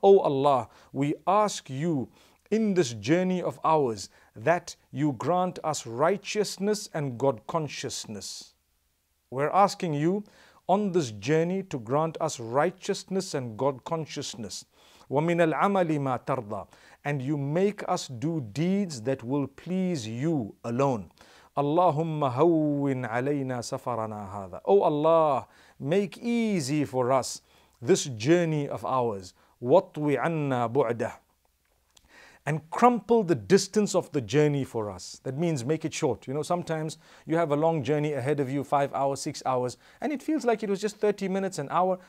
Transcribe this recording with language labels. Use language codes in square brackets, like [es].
[en] O Allah, we ask you in this journey of ours that you grant us righteousness and God consciousness. We're asking you on this journey to grant us righteousness and God consciousness. [ar] وَمِنَ الْعَمَلِ مَا تَرْضَى. [en] And you make us do deeds that will please you alone. [ar] اللهم هون علينا سفرنا هذا. [en] Oh Allah, make easy for us this journey of ours. [ar] وَطْوِ عَنَّا بُعْدَهُ. [en] and crumple the distance of the journey for us. That means make it short. You know, sometimes you have a long journey ahead of you, 5 hours, 6 hours, and it feels like it was just 30 minutes, an hour.